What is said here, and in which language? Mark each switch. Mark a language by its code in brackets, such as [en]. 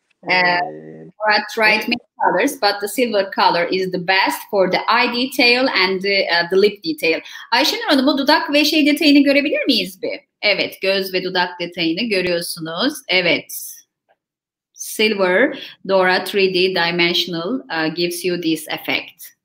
[en] I tried many colors, but the silver color is the best for the eye detail and the lip detail. [tr] Ayşenur Hanım, o dudak ve şey detayını görebilir miyiz bir? Evet, göz ve dudak detayını görüyorsunuz. Evet. [en] Silver Dora 3D Dimensional gives you this effect.